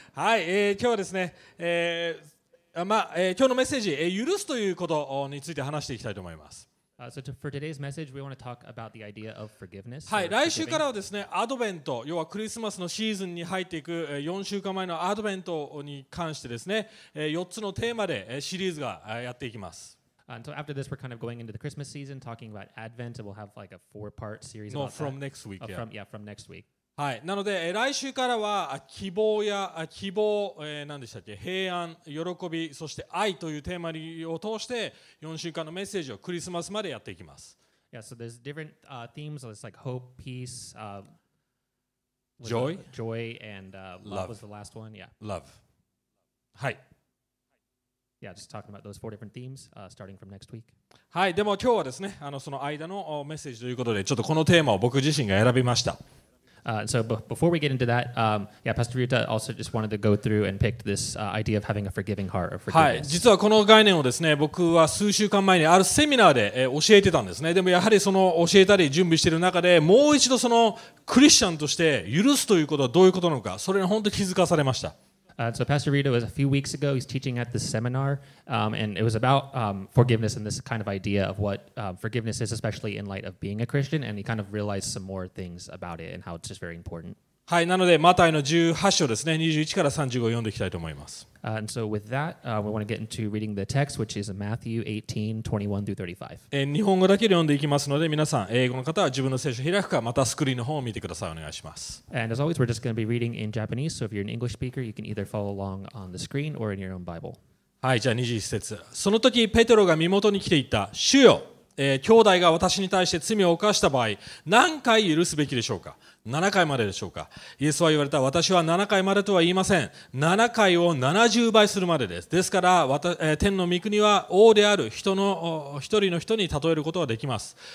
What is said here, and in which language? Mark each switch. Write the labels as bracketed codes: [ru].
[ja] はい、今日はですね、今日のメッセージ、許すということについて話していきたいと思います。 [en] For today's message, we want to talk about the idea of forgiveness. [ja] はい、来週からはですね、アドベント、要はクリスマスのシーズンに入っていく、4週間前のアドベントに関してですね、4つのテーマで、シリーズが、やっていきます。 [en] And so after this, we're kind of going into the Christmas season, talking about Advent, and we'll have like a four-part series about that. No, from next week, yeah. From next week. [ja] はい、なので来週からは希望や希望、何でしたっけ、平安、喜び、そして愛というテーマを通して4週間のメッセージをクリスマスまでやっていきます。 [en] Yeah, so there's different themes. It's like hope, peace, joy and love was the last one. Yeah, love. [ja] はい、 [en] Yeah, just talking about those four different themes, starting from next week. [ja] はい、でも今日はですね、その間のメッセージということで、ちょっとこのテーマを僕自身が選びました。 [en] So before we get into that, Pastor Ryuta also just wanted to go through and picked this idea of having a forgiving heart or forgiveness. [ja] はい、実はこの概念をですね、僕は数週間前にあるセミナーで教えてたんですね。でもやはりその教えたり準備している中で、もう一度そのクリスチャンとして許すということはどういうことなのか、それに本当に気づかされました。 [en] So Pastor Ryuta was a few weeks ago, he's teaching at this seminar, and it was about forgiveness and this kind of idea of what forgiveness is, especially in light of being a Christian, and he kind of realized some more things about it and how it's just very important. [ja] はい、なのでマタイの18章ですね、21から35を読んでいきたいと思います。 [en] And so with that, we want to get into reading the text, which is Matthew 18, 21 through 35. [ja] 日本語だけで読んでいきますので、皆さん英語の方は自分の聖書を開くか、またスクリーンの方を見てください。お願いします。 [en] And as always, we're just going to be reading in Japanese, so if you're an English speaker, you can either follow along on the screen or in your own Bible. [ja] はい、じゃあ21節。その時、ペテロが身元に来ていった。主よ、兄弟が私に対して罪を犯した場合、何回許すべきでしょうか？ 7回まででしょうか。イエスは言われた。私は7回までとは言いません。 7回を70倍するまでです。ですから、天の御国は王である人の一人の人に例えることはできます。